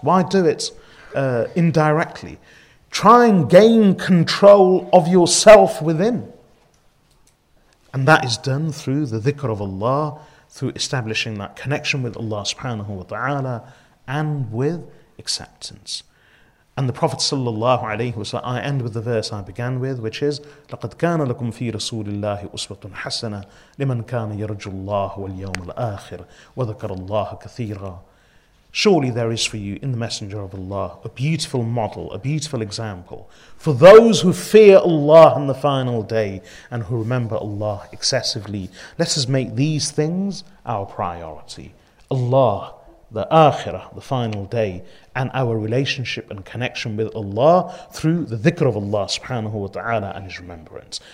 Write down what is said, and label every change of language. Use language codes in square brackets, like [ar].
[en] Why do it indirectly? Try and gain control of yourself within. And that is done through the dhikr of Allah, through establishing that connection with Allah subhanahu wa ta'ala and with acceptance. And the Prophet sallallahu alaihi wasallam, I end with the verse I began with, which is [ar] لَقَدْ كَانَ لَكُمْ فِي رَسُولِ اللَّهِ أُسْوَةٌ حَسَنَةٌ لِمَنْ كَانَ يَرْجُ اللَّهُ وَالْيَوْمَ الْآخِرِ وَذَكَرَ اللَّهَ كَثِيرًا. [en] Surely there is for you in the Messenger of Allah a beautiful model, a beautiful example for those who fear Allah on the final day and who remember Allah excessively. Let us make these things our priority. Allah, the Akhirah, the final day, and our relationship and connection with Allah through the dhikr of Allah subhanahu wa ta'ala and His remembrance.